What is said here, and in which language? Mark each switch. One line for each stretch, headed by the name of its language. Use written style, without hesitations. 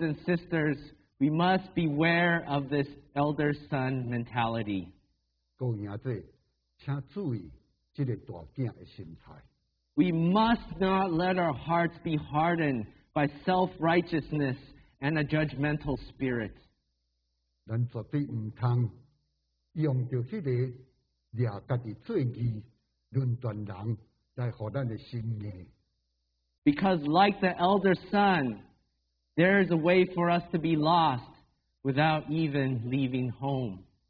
English: and sisters, we must beware of this elder son mentality.
Min Nan Chinese: 各位兄弟，请注意这个大囝的心态。
English: We must not let our hearts be hardened by self-righteousness and a judgmental spirit. Because like the elder son, there is a way for us to be lost without even leaving home.